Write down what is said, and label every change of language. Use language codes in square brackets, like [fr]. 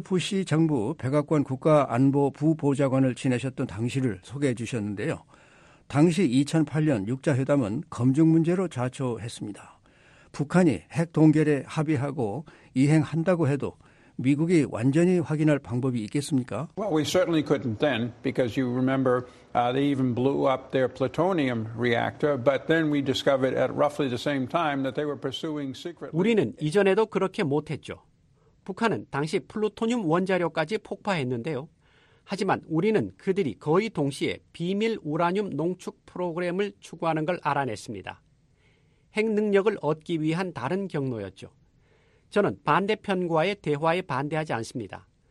[ko] 부시 정부 백악관 국가안보부보좌관을 지내셨던 당시를 소개해 주셨는데요. 당시 2008년 6자회담은 검증 문제로 좌초했습니다. 북한이 핵 동결에 합의하고 이행한다고 해도 미국이 완전히 확인할 방법이 있겠습니까? [en] Well, we certainly couldn't then because you remember they even blew up their plutonium reactor, but then we discovered at roughly the same time that they were pursuing secretly. [ko] 우리는 이전에도 그렇게 못했죠. 북한은 당시 플루토늄 원자료까지 폭파했는데요. 하지만 우리는 그들이 거의 동시에 비밀 우라늄 농축 프로그램을 추구하는 걸 알아냈습니다. 핵 능력을 얻기 위한 다른 경로였죠. 저는 반대편과의 대화에 반대하지 않습니다.